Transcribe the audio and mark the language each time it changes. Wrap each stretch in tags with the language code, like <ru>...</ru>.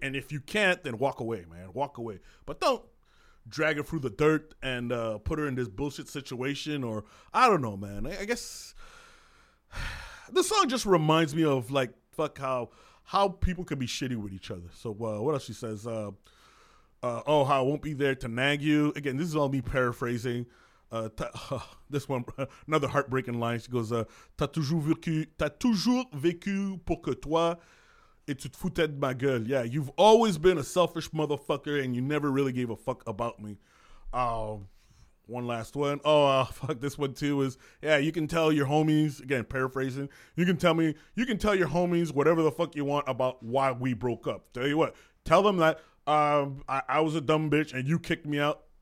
<en>And if you can't, then walk away, man, walk away. But don't drag her through the dirt and put her in this bullshit situation, or I don't know, man. I guess the song just reminds me of, like, fuck how people can be shitty with each other. So what else she says? How I won't be there to nag you. Again, this is all me paraphrasing. This one, another heartbreaking line. She goes,</en> <fr>t'as toujours vécu pour que toi, et tu te foutais de ma gueule.</fr> <en>Yeah, you've always been a selfish motherfucker and you never really gave a fuck about me. One last one. Fuck this one too. Is, yeah, you can tell your homies, again, paraphrasing, you can tell your homies whatever the fuck you want about why we broke up. Tell you what, tell them that I was a dumb bitch and you kicked me out.</en>